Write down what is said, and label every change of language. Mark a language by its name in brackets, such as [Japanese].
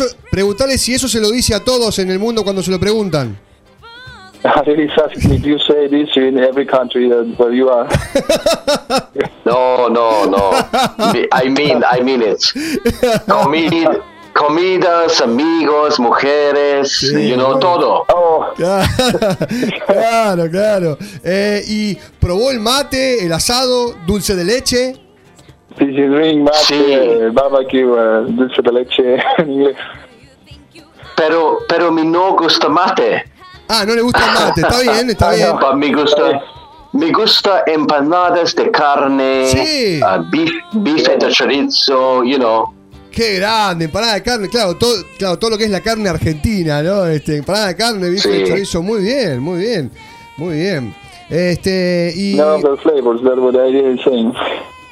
[Spanish] Preguntale si eso se lo dice a todos en el mundo cuando se lo preguntan. [English] Did you say this in every country where you are? No. I mean it. [Spanish] Comidas, amigos, mujeres, sí, [English] you know, [Spanish] bueno, todo. Oh. Claro, claro. ¿Y probó el mate, el asado, dulce de leche? [English] Did you drink mate, sí, barbecue, dulce de leche [Spanish] en inglés? Pero mi no gusta mate. Ah, no le gusta el mate, está bien. Pero me gusta empanadas de carne, sí, bife de chorizo, [English] you know. [Spanish] Qué grande, empanada de carne, claro, todo lo que es la carne argentina, ¿no? Empanada de carne, bife, sí, de chorizo, muy bien, muy bien, muy bien. Y [English] no, the flavors, that's what I did the